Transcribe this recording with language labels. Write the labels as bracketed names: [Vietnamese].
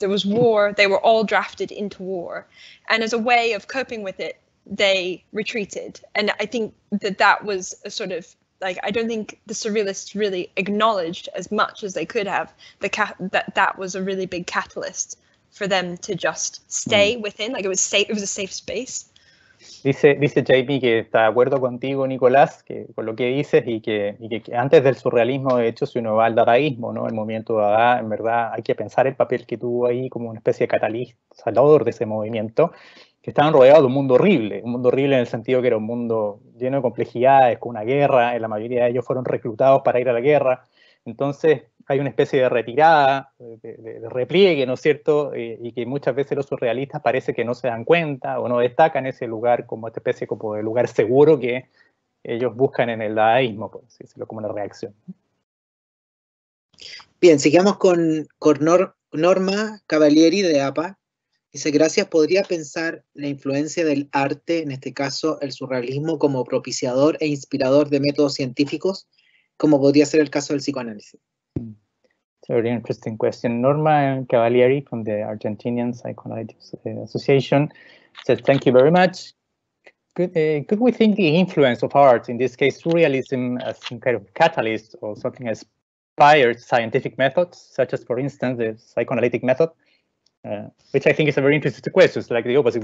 [English] There was war, they were all drafted into war. And as a way of coping with it, they retreated. And I think that was a sort of, like, I don't think the Surrealists really acknowledged as much as they could have that was a really big catalyst for them to just stay within, like it was a safe space. [Spanish] Dice Jamie que está de acuerdo contigo, Nicolás, que con lo que dices y que antes del surrealismo, de hecho, si uno va al dadaísmo, ¿no? El movimiento Dada, en verdad, hay que pensar el papel que tuvo ahí como una especie de catalista, salvador de ese movimiento, que estaban rodeados de un mundo horrible en el sentido que era un mundo lleno de complejidades, con una guerra, y la mayoría de ellos fueron reclutados para ir a la guerra. Entonces, hay una especie de retirada, de repliegue, ¿no es cierto? Y que muchas veces los surrealistas parece que no se dan cuenta o no destacan ese lugar como esta especie como de lugar seguro que ellos buscan en el dadaísmo, por decirlo, como una reacción. Bien, sigamos con Norma Cavalieri de APA dice, gracias, ¿podría pensar la influencia del arte, en este caso el surrealismo, como propiciador e inspirador de métodos científicos, como podría ser el caso del psicoanálisis? [English] It's a very interesting question. Norma Cavalieri from the Argentinian Psychoanalytic Association says, thank you very much. Could we think the influence of art, in this case surrealism, as some kind of catalyst or something as inspired scientific methods, such as, for instance, the psychoanalytic method, which I think is a very interesting question. It's like the opposite.